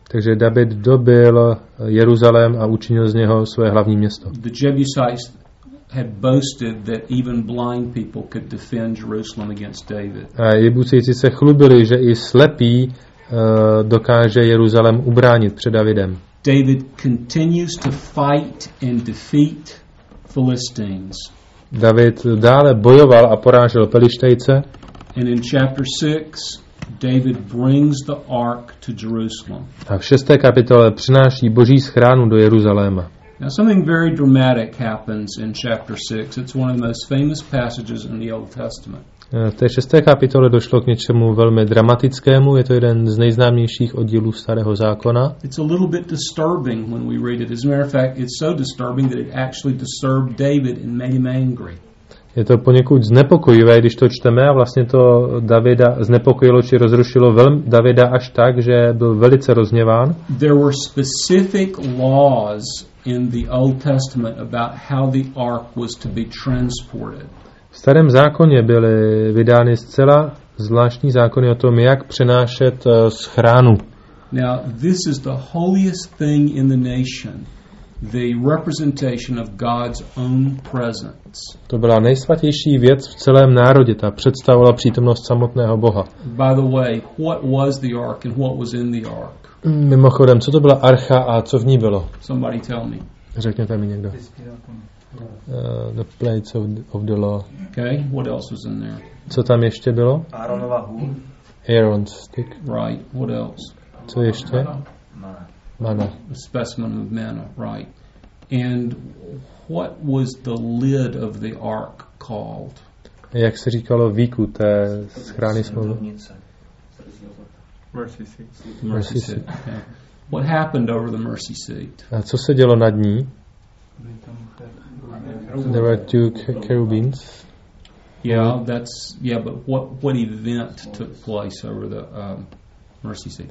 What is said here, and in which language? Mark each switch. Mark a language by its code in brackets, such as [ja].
[cs] Takže David dobyl Jeruzalém a učinil z něho své hlavní město. [en] The Jebusites had boasted that even blind people could defend Jerusalem against David. [cs] A Jebusejci se chlubili, že i slepí dokáže Jeruzalém ubránit před Davidem. [en] David continues to fight and defeat Philistines. [cs] David dále bojoval a porážel Pelištejce. [en] And in chapter 6 David brings the ark to Jerusalem. [cs] A v 6. kapitole přináší Boží schránu do Jeruzaléma. [en] Now something very dramatic happens in chapter 6. It's one of the most famous passages in the Old Testament. [cs] V té 6. kapitole došlo k něčemu velmi dramatickému. Je to jeden z nejznámějších oddílů Starého zákona. [en] It's a little bit disturbing when we read it. As a matter of fact, it's so disturbing that it actually disturbed David and made him angry. [cs] Je to poněkud znepokojivé, když to čteme, a vlastně to Davida znepokojilo či rozrušilo Davida až tak, že byl velice rozněván. [en] There were specific laws in the Old Testament about how the ark was to be transported. [cs] V Starém zákoně byly vydány zcela zvláštní zákony o tom, jak přenášet schránu. [en] Now, this is the holiest thing in the nation. The representation of God's own presence. [cs] To byla nejsvatější věc v celém národě, ta představovala přítomnost samotného Boha. [en] By the way, what was the ark and what was in the ark? [cs] Mimochodem, co to byla archa a co v ní bylo? [en] Somebody tell me. [cs] Řekněte mi někdo. [en] The plates of the law. Okay, what else was in there? [cs] Co tam ještě bylo? Aaronova hůl. [en] Aaron's stick. Right, what else? [cs] Co ještě? [en] Manna. A specimen of manna, right. And what was the lid of the ark called? [cs] Jak se říkalo výku té schrány smlouvy? [en] Mercy seat. Okay. What happened over the mercy seat? [cs] A co se dělo nad ní? [en] There were two cherubims. Yeah, but what event took place over the mercy seat.